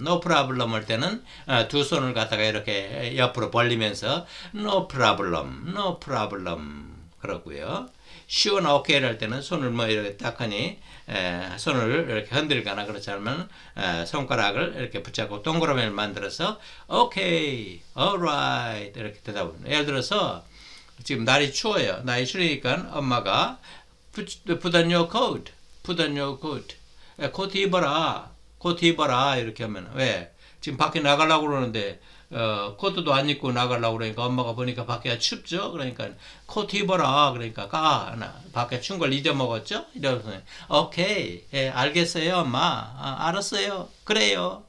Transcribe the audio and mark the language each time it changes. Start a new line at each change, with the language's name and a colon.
Korean: No problem 할 때는 두 손을 갖다가 이렇게 옆으로 벌리면서
English: no problem, no problem
Korean: 그렇고요. Sure나 okay 할 때는 손을 뭐 이렇게 딱 하니 손을 이렇게 흔들거나 그렇지 않으면 손가락을 이렇게 붙잡고 동그라미를 만들어서
English: okay, alright
Korean: 이렇게 대답을. 예를 들어서 지금 날이 추워요. 날이 추우니까 엄마가
English: put on your coat, put on your coat.
Korean: 코트 입어라, 코트 입어라 이렇게 하면 왜? 지금 밖에 나가려고 그러는데 코트도 안 입고 나가려고 그러니까 엄마가 보니까 밖에 춥죠. 그러니까 코트 입어라. 그러니까 가 나 밖에 추운 걸 잊어먹었죠. 이러면서 오케이, 예, 알겠어요, 엄마. 아, 알았어요. 그래요.